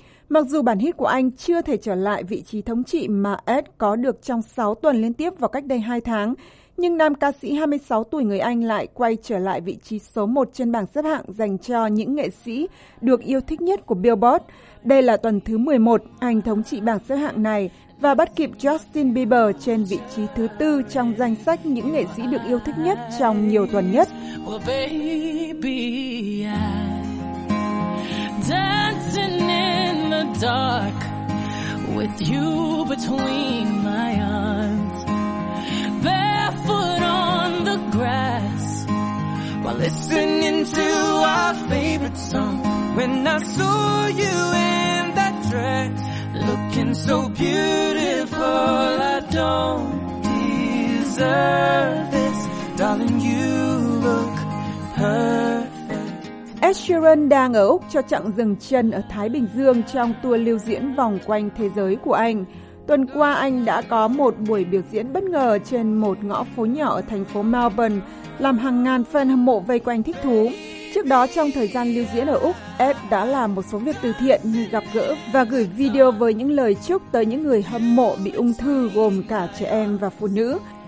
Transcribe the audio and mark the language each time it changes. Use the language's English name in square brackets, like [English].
[Vietnamese] Mặc dù bản hit của anh chưa thể trở lại vị trí thống trị mà Ed có được trong 6 tuần liên tiếp vào cách đây 2 tháng, nhưng nam ca sĩ 26 tuổi người Anh lại quay trở lại vị trí số 1 trên bảng xếp hạng dành cho những nghệ sĩ được yêu thích nhất của Billboard. Đây là tuần thứ 11 anh thống trị bảng xếp hạng này và bắt kịp Justin Bieber trên vị trí thứ 4 trong danh sách những nghệ sĩ được yêu thích nhất trong nhiều tuần nhất. [English] Well, baby, dancing in the dark with you between my arms. Barefoot on the grass while listening to our favorite song. When I saw you in that dress looking so beautiful, I don't deserve this, darling, you look perfect. [Vietnamese] Ed Sheeran đang ở Úc cho chặng dừng chân ở Thái Bình Dương trong tour lưu diễn vòng quanh thế giới của anh. Tuần qua, anh đã có một buổi biểu diễn bất ngờ trên một ngõ phố nhỏ ở thành phố Melbourne, làm hàng ngàn fan hâm mộ vây quanh thích thú. Trước đó, trong thời gian lưu diễn ở Úc, Ed đã làm một số việc từ thiện như gặp gỡ và gửi video với những lời chúc tới những người hâm mộ bị ung thư, gồm cả trẻ em và phụ nữ.